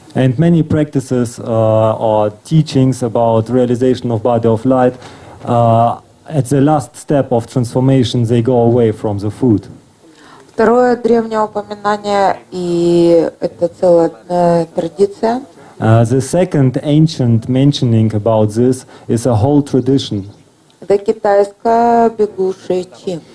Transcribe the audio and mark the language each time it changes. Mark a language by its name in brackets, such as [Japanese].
[English] And many practices or teachings about realization of body of light at the last step of transformation they go away from the food. [Russian] Второе древнее упоминание, и это целая традиция. [English] The second ancient mentioning about this is a whole tradition. [Russian] Это китайская бигуши чи.